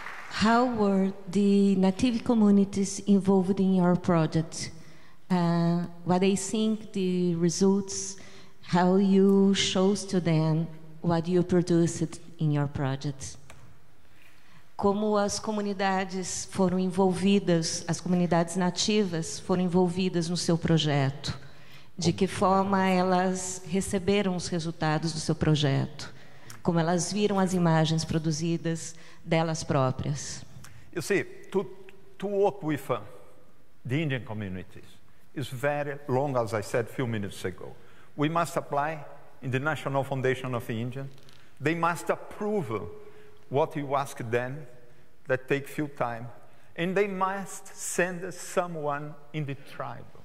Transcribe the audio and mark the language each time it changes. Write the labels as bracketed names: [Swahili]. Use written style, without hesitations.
[English] How were the native communities involved in your project? What they think the results, how you shows to them what you produced in your project? [Portuguese] Como as comunidades foram envolvidas, as comunidades nativas foram envolvidas no seu projeto? De que forma elas receberam os resultados do seu projeto? Como elas viram as imagens produzidas delas próprias? [English] You see, to work with the Indian communities is very long, as I said a few minutes ago. We must apply in the National Foundation of the Indian. They must approve what you ask them, that take few time, and they must send someone in the tribe.